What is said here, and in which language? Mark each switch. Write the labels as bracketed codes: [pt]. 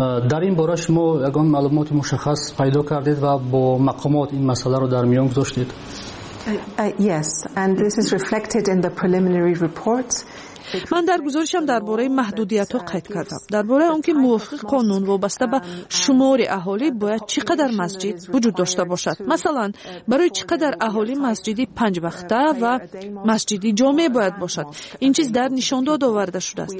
[fa] در این باره شما یگان معلومات مشخص پیدا کردید و با مقامات این مسئله رو در میان گذاشتید؟ [en] Yes, and this is reflected in the preliminary reports. [fa] من در گزارشم درباره محدودیت‌ها قید کردم، درباره آنکه موافق قانون وابسته به شمار اهالی باید چقدر مسجد وجود داشته باشد. مثلا برای چقدر اهالی مسجدی پنج وقته و مسجدی جامعه باید باشد، این چیز در نشان داد آورده شده است.